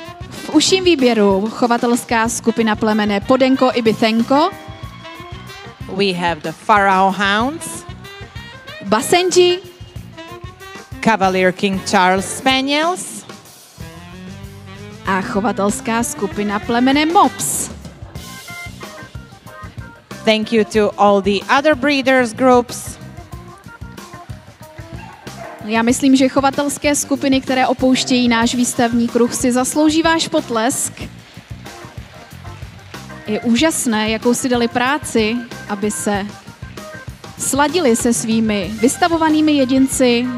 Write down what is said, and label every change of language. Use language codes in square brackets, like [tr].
[cs] V užším výběru chovatelská skupina plemene Podenko i Bithenko. [en] We have the Pharaoh Hounds. Basenji. Cavalier King Charles Spaniels. [cs] A chovatelská skupina plemene Mops. [en] Thank you to all the other breeders groups. [cs] Já myslím, že chovatelské skupiny, které opouštějí náš výstavní kruh, si zaslouží váš potlesk. Je úžasné, jakou si dali práci, aby se sladili se svými vystavovanými jedinci.